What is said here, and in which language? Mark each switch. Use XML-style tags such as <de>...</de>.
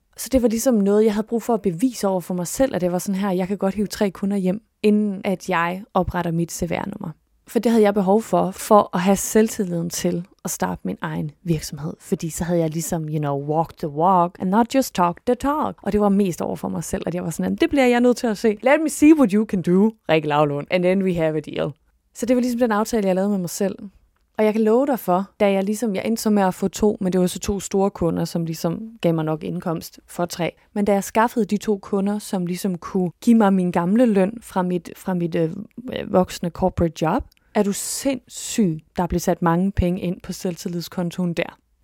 <da>Så det var ligesom noget, jeg havde brug for at bevise over for mig selv, at det var sådan her, jeg kan godt hive 3 kunder hjem, inden at jeg opretter mit CVR-nummer. For det havde jeg behov for at have selvtilliden til at starte min egen virksomhed. Fordi så havde jeg ligesom,</da> <en>you know, walk the walk and not just talk the talk.</en> <da>Og det var mest over for mig selv, at jeg var sådan, det bliver jeg nødt til at se.</da> <en>Let me see what you can do, Rikke Lavlund, and then we have a deal.</en> <da>Så det var ligesom den aftale, jeg lavede med mig selv. Og jeg kan love dig for, da jeg ligesom, jeg endte så med at få 2, men det var så 2 store kunder, som ligesom gav mig nok indkomst for 3. Men da jeg skaffede de 2 kunder, som ligesom kunne give mig min gamle løn fra mit voksende corporate job, er du sindssyg, der blev sat mange penge ind på selvtillidskontoen der.</da>